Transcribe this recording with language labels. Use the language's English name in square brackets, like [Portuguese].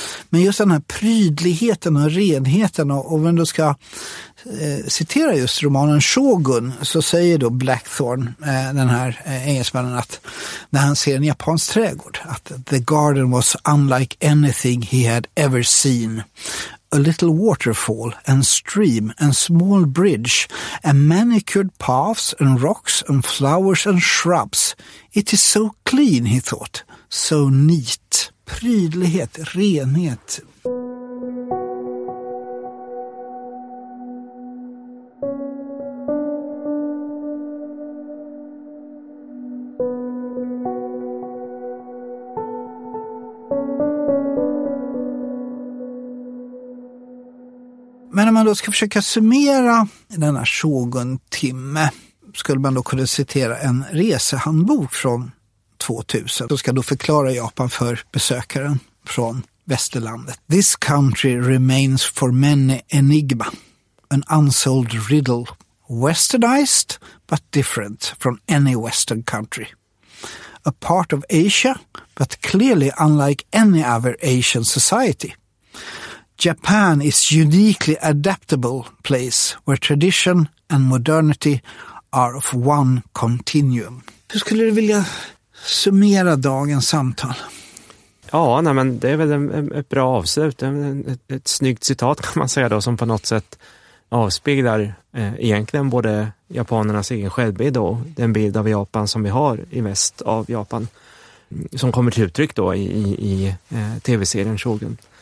[Swedish] Men just den här prydligheten och renheten, och om du ska citera just romanen Shogun, så säger då Blackthorne, den här engelsmannen, att när han ser en japansk trädgård, att [English] the garden was unlike anything he had ever seen. A little waterfall and stream and small bridge and manicured paths and rocks and flowers and shrubs. It is so clean, he thought. So neat. [Swedish] Prydlighet, renhet. Men om man då ska försöka summera denna Shogun-timme, skulle man då kunna citera en resehandbok från 2000. Då ska då förklara Japan för besökaren från västerlandet. [English] This country remains for many enigma, an unsolved riddle, westernized but different from any western country. A part of Asia, but clearly unlike any other Asian society. Japan is uniquely adaptable place where tradition and modernity are of one continuum. [Swedish] Hur skulle du vilja summera dagens samtal? Ja, nej, men det är väl ett bra avslut. Ett snyggt citat kan man säga då, som på något sätt avspeglar egentligen både japanernas egen självbild och den bild av Japan som vi har i väst av Japan, som kommer till uttryck då i tv-serien Shogun.